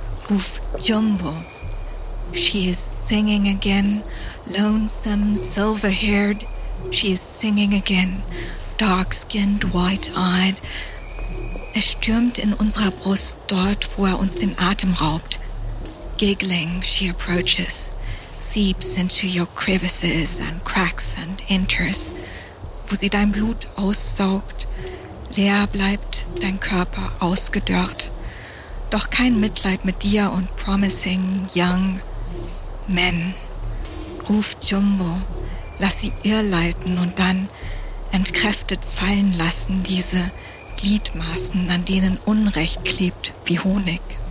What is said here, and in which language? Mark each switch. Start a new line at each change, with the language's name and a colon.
English: Ruf Jumbo. She is singing again, lonesome, silver-haired. She is singing again, dark-skinned, white-eyed.
German: Er stürmt in unserer Brust dort, wo er uns den Atem raubt.
English: Giggling, she approaches, seeps into your crevices and cracks and enters.
German: Wo sie dein Blut aussaugt, leer bleibt dein Körper ausgedörrt. Doch kein Mitleid mit dir und
English: promising young men.
German: Ruf Jumbo, lass sie irrleiten und dann entkräftet fallen lassen diese Gliedmaßen, an denen Unrecht klebt wie Honig.